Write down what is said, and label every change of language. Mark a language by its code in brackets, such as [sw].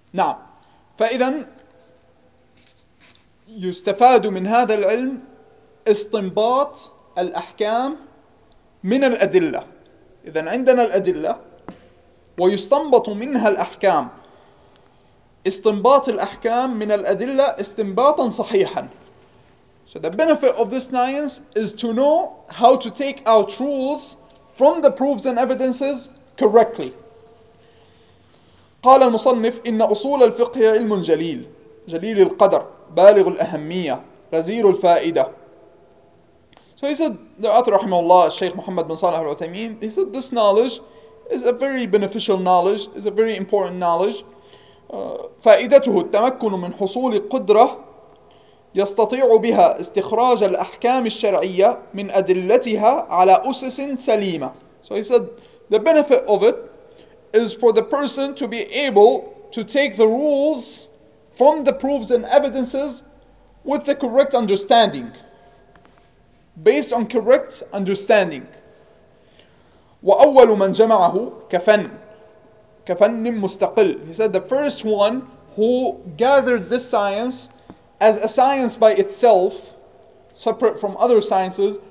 [ar] نعم، فإذا يستفاد من هذا العلم استنباط الأحكام من الأدلة. إذن عندنا الأدلة ويستنبط منها الأحكام، استنباط الأحكام من الأدلة استنباطا صحيحا. [en] So the benefit of this science is to know how to take out rules from the proofs and evidences correctly. [ar] قال المصنف إن أصول الفقه علم جليل، جليل القدر، بالغ الأهمية، غزير الفائدة. [en] So he said, the author رحمه الله, الشيخ محمد بن صالح العثيمين, he said this knowledge is a very beneficial knowledge, is a very important knowledge. [ar] فائدته التمكن من حصول قدرة يستطيع بها استخراج الأحكام الشرعية من أدلتها على أسس سليمة. [en] So he said, the benefit of it is for the person to be able to take the rules from the proofs and evidences with the correct understanding. Based on correct understanding. [ar] وأول من جمعه كفن، كفن مستقل. [en] He said the first one who gathered this science as a science by itself, separate from other sciences.